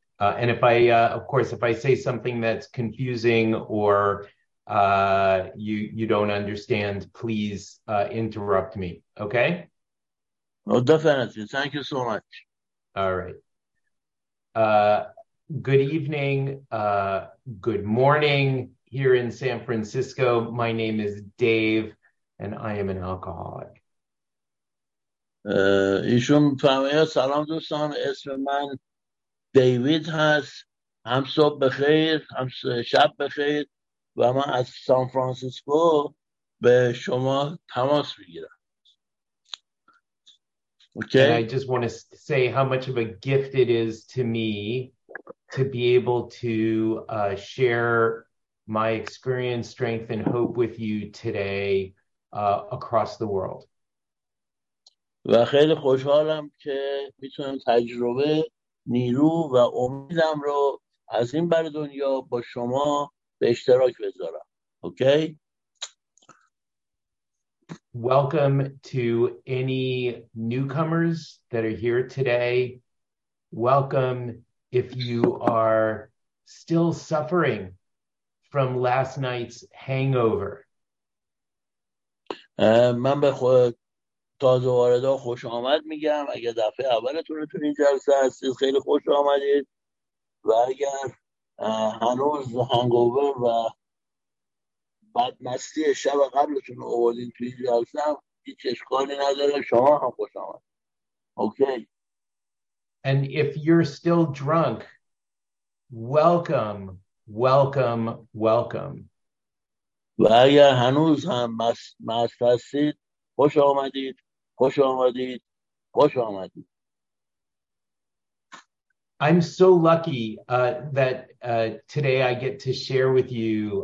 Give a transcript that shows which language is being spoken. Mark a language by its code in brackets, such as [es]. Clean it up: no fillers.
[en] And if I, of course, if I say something that's confusing or you don't understand, please interrupt me, okay? Oh, definitely. Thank you so much. All right. Good evening. Good morning here in San Francisco. My name is Dave, and I am an alcoholic. [fa] ایشون فرمایید سلام دوستان، اسم من دیوید هست، هم صبح بخیر هم شب بخیر، و من از سان فرانسیسکو به شما تماس میگیرم. [en] Okay. And I just want to say how much of a gift it is to me to be able to share my experience, strength and hope with you today across the world. [fa] و خیلی خوشحالم که میتونم تجربه، نیرو و امیدم رو از این بر دنیا با شما به اشتراک بذارم. [en] Okay? Welcome to any newcomers that are here today. Welcome if you are still suffering from last night's hangover. [fa] من به خود تازه واردا خوش آمد میگم. اگر دفعه اولتون تو این جلسه هستید، خیلی خوش آمدید، و اگر هنوز هنگوبر و بدمستی شب قبلتون رو آوردین تو این جلسه، هیچ اشکالی نداره، شما هم خوش آمد. [en] Okay. And if you're still drunk, welcome, welcome, welcome. [fa] و اگر هنوز هم مست هستید، خوش آمدید. خوش آمدید. خوش آمدید. [en] I'm so lucky that today I get to share with you.